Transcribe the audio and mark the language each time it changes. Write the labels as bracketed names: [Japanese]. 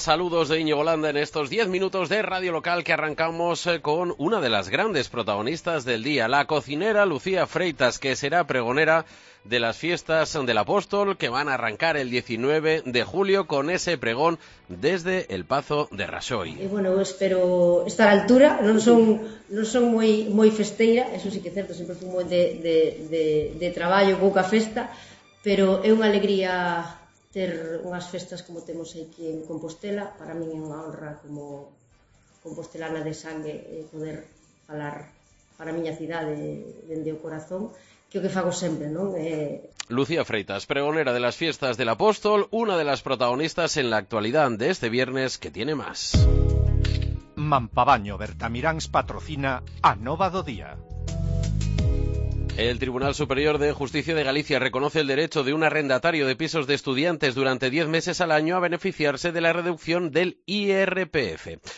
[Spanish] Saludos de Íñigo Landa en estos 10 minutos de Radio Local que arrancamos con una de las grandes protagonistas del día, la cocinera Lucía Freitas, que será pregonera de las fiestas del Apóstol que van a arrancar el 19 de julio con ese pregón desde el Pazo de Raxoi. [Galician] Bueno, espero estar a altura, [Spanish] no son muy [Galician] festeira, eso sí que é certo, sempre fui moi de traballo, pouca festa, pero é unha alegría ter unhas festas como temos aquí en Compostela. Para min é unha honra como compostelana de sangue poder falar para a miña cidade dende o corazón, que é o que fago sempre, non? [Spanish] Lucía Freitas, pregonera de las fiestas del Apóstol, una de las protagonistas en la actualidad de este viernes que tiene más. [Galician] Mampabaño Bertamiráns patrocina a Nova do Día. [Spanish] El Tribunal Superior de Justicia de Galicia reconoce el derecho de un arrendatario de pisos de estudiantes durante 10 meses al año a beneficiarse de la reducción del IRPF.